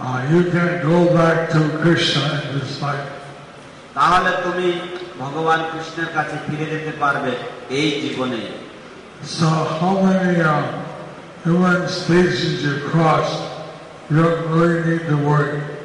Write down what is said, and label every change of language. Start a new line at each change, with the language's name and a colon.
English: you can go back to Krishna in this life.
Bangla: তাহলে তুমি ভগবান কৃষ্ণের কাছে ফিরে যেতে পারবে এই জীবনে.
English: So how many human species you crossed, you don't really need to worry.